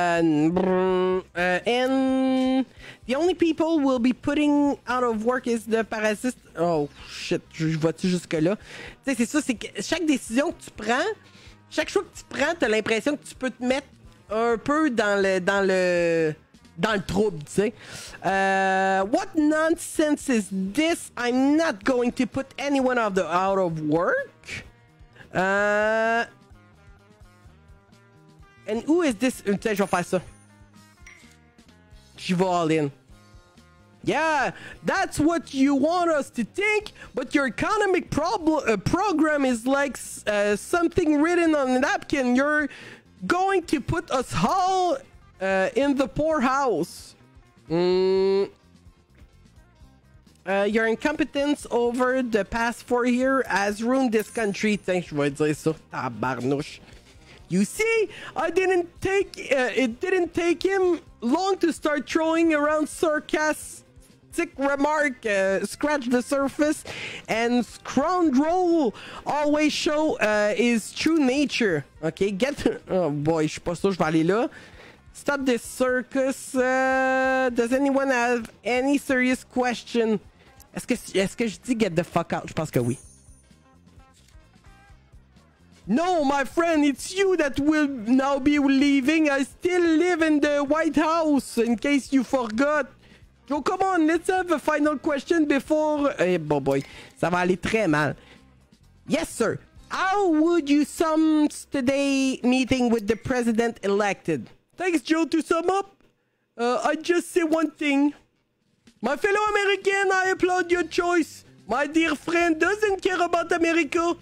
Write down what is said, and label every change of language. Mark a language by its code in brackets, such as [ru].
[en] And the only people we'll be putting out of work is the parasites. [fr] Oh shit, je vois-tu jusque là? Tu sais, c'est ça, c'est que chaque décision que tu prends, chaque choix que tu prends, t'as l'impression que tu peux te mettre un peu dans le trouble, tu sais. [en] What nonsense is this? I'm not going to put anyone out of work. And who is this? [fr] Tiens, je vais faire ça. Je vais [en] all in. Yeah, that's what you want us to think, but your economic program is like something written on a napkin. You're going to put us all in the poorhouse. Your incompetence over the past 4 years has ruined this country. [fr] Tiens, je vais dire ça. Tabarnouche. [en] You see, it didn't take him long to start throwing around sarcastic remark, scratch the surface, and scoundrel always show his true nature. Okay, get. [fr] Oh boy, je suis pas sûr, je vais aller là. [en] Stop this circus. Does anyone have any serious question? [fr] Est-ce que je dis [en] get the fuck out? [fr] Je pense que oui. [en] No, my friend, it's you that will now be leaving. I still live in the White House, in case you forgot. Joe, come on, let's have a final question before... [fr] Eh, bon boy, ça va aller très mal. [en] Yes, sir. How would you sum today's meeting with the president elected? Thanks, Joe, to sum up. I just say one thing. My fellow American, I applaud your choice. My dear friend doesn't care about America.